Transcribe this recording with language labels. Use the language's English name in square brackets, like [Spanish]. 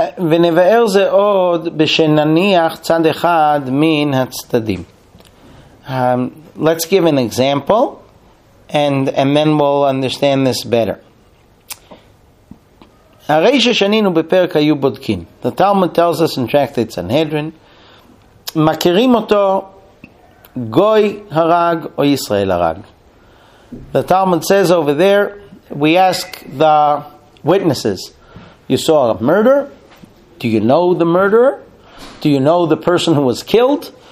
[Hebrew] ונבאר זה עוד בשנניח צד אחד מן הצדדים. [English] Let's give an example, and then we'll understand this better. [Hebrew] הרי ששנינו בפרק היו בודקין. [English] The Talmud tells us in tractate Sanhedrin, [Hebrew] מכירים אותו גוי הרג או ישראל הרג. [English] The Talmud says over there, we ask the witnesses, you saw a murder? Do you know the murderer? Do you know the person who was killed?